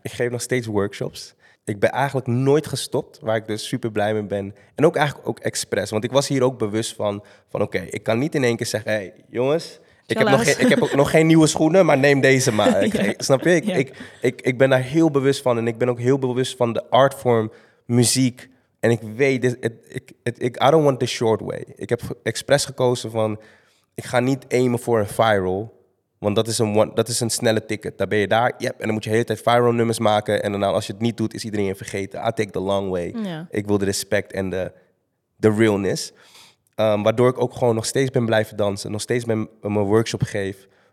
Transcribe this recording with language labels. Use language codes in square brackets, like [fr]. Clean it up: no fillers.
[nl] Ik geef nog steeds workshops. Ik ben eigenlijk nooit gestopt, waar ik dus super blij mee ben. En ook eigenlijk ook expres. Want ik was hier ook bewust van oké, ik kan niet in één keer zeggen, hey, jongens, ik heb ook nog geen nieuwe schoenen, maar neem deze maar. Snap je? Ik ben daar heel bewust van. En ik ben ook heel bewust van de artform muziek. En ik weet, [en] I don't want the short way. [nl] Ik heb expres gekozen van, ik ga niet aimen voor een viral. Want dat is een snelle ticket. Daar ben je daar. Yep, en dan moet je de hele tijd viral nummers maken. En daarna, als je het niet doet, is iedereen je vergeten. [en] I take the long way. [nl] Ja. Ik wil de respect en de realness. Waardoor ik ook gewoon nog steeds ben blijven dansen. Nog steeds mijn workshop geef.